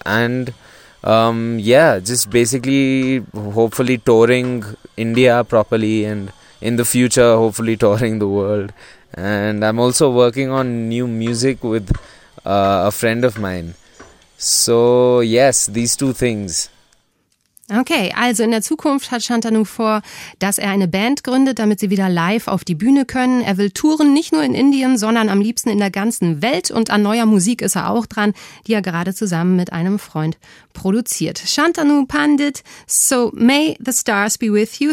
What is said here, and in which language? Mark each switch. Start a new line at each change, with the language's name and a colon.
English: And yeah, just basically hopefully touring India properly, and in the future hopefully touring the world. And I'm also working on new music with a friend of mine. So yes, these two things.
German: Okay, also in der Zukunft hat Shantanu vor, dass er eine Band gründet, damit sie wieder live auf die Bühne können. Er will touren, nicht nur in Indien, sondern am liebsten in der ganzen Welt. Und an neuer Musik ist er auch dran, die er gerade zusammen mit einem Freund produziert.
English: Shantanu Pandit, so may the stars be with you.